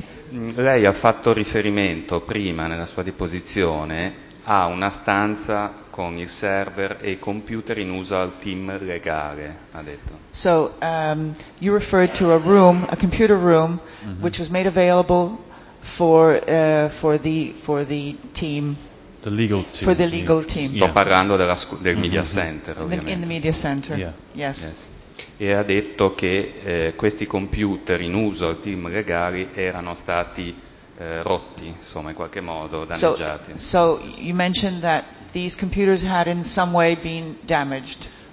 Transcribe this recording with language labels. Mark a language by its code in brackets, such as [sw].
[it] Lei ha fatto riferimento prima nella sua deposizione a una stanza con il server e computer in uso al team legale, ha detto. [en] So, you referred to a computer room, mm-hmm. which was made available for the team. The legal team. For the legal team. [it] Sto parlando del media center, ovviamente. [en] In the media center, yes. [it] E ha detto che questi computer in uso al team legale erano stati rotti, insomma, in qualche modo, danneggiati. [en] So you mentioned that these computers had in some way been damaged.